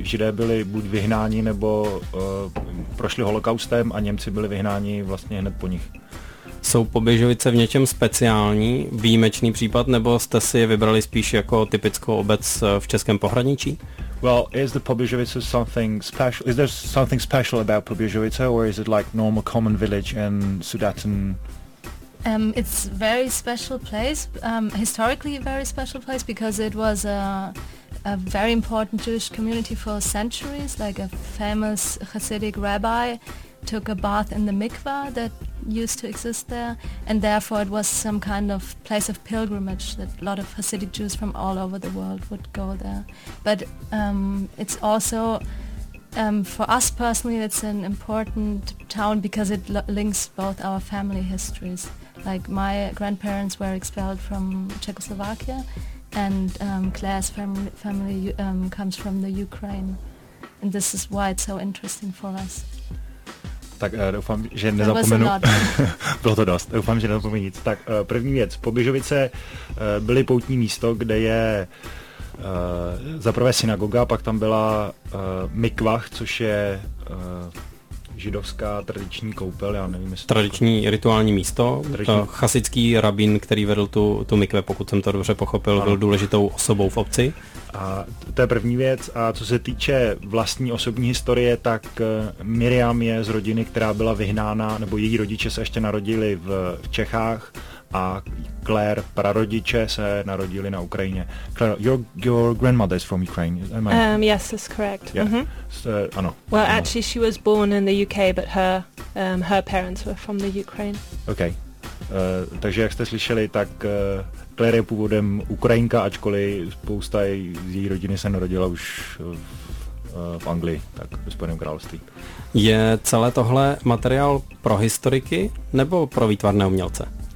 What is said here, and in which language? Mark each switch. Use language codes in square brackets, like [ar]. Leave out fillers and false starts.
[cs] Židé byli buď vyhnáni, nebo prošli holokaustem a Němci byli vyhnáni vlastně hned po nich. Jsou Poběžovice v něčem speciální, výjimečný případ, nebo jste si je vybrali spíš jako typickou obec v českém pohraničí? [en] Well, is the Poběžovice something special? Is there something special about Poběžovice, or is it like normal common village in Sudeten? It's very special place, historically very special place, because it was a very important Jewish community for centuries, like a famous Hasidic rabbi took a bath in the mikvah that used to exist there, and therefore it was some kind of place of pilgrimage that a lot of Hasidic Jews from all over the world would go there. But it's also, for us personally, it's an important town because it links both our family histories. Like my grandparents were expelled from Czechoslovakia, and Claire's family comes from the Ukraine, and this is why it's so interesting for us. [cs] Tak doufám, že nezapomenu. Bylo to dost. Doufám, že nezapomenu nic. Tak první věc. Poběžovice byly poutní místo, kde je zaprvé synagoga, pak tam byla mikvah, což je židovská tradiční koupel, já nevím, jestli... Tradiční rituální místo. Chasidský rabín, který vedl tu mikve, pokud jsem to dobře pochopil, byl důležitou osobou v obci. A to je první věc. A co se týče vlastní osobní historie, tak Miriam je z rodiny, která byla vyhnána, nebo její rodiče se ještě narodili v Čechách, a Claire, prarodiče, se narodili na Ukrajině. [en] Claire, your grandmother is from Ukraine, am I? Yes, that's correct. Yeah. Mm-hmm. [cs] Ano. [en] Well, actually, she was born in the UK, but her parents were from the Ukraine. Okay. [cs] Takže jak jste slyšeli, tak Claire je původem Ukrajinka, ačkoliv spousta z její rodiny se narodila už v Anglii, tak ve Spojeném království. Je celé tohle materiál pro historiky nebo pro výtvarné umělce?